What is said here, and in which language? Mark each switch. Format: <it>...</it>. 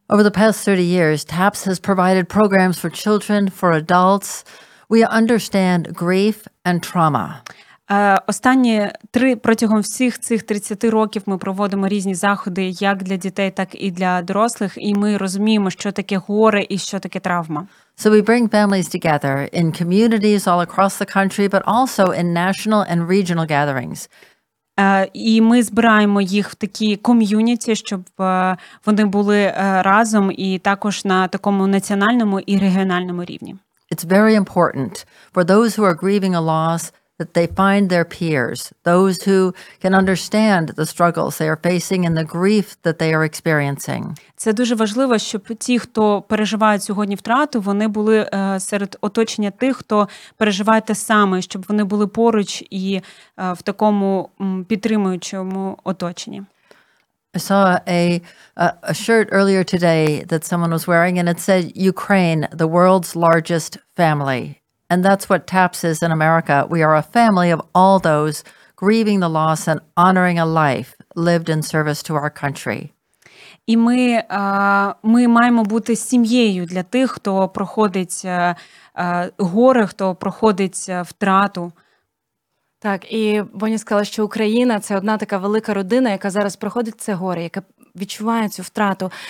<en>Over the past 30 years, TAPS has provided programs for children, for adults. We understand grief and trauma.</en> <uk>Останні протягом всіх цих 30 років ми проводимо різні заходи як для дітей, так і для дорослих, і ми розуміємо, що таке горе і що таке травма.</uk> <en>So we bring families together in communities all across the country, but also in national and regional gatherings.</en> <uk>І ми збираємо їх в такі ком'юніті, щоб вони були разом і також на такому національному і регіональному рівні.</uk> <en>It's very important for those who are grieving a loss that they find their peers, those who can understand the struggles they are facing and the grief that they are experiencing.</en> <uk>Це дуже важливо, щоб ті, хто переживають сьогодні втрату, вони були серед оточення тих, хто переживає те саме, щоб вони були поруч і в такому підтримуючому оточенні.</uk> <en>I saw a shirt earlier today that someone was wearing, and it said Ukraine, the world's largest family. And that's what TAPS is in America. We are a family of all those grieving the loss and honoring a life lived in service to our country.</en> <uk>І ми маємо бути сім'єю для тих, хто проходить горе, хто проходить втрату. Так, і Боня сказала, що Україна – це одна така велика родина, яка зараз проходить це горе, яка відчуває цю втрату.</uk>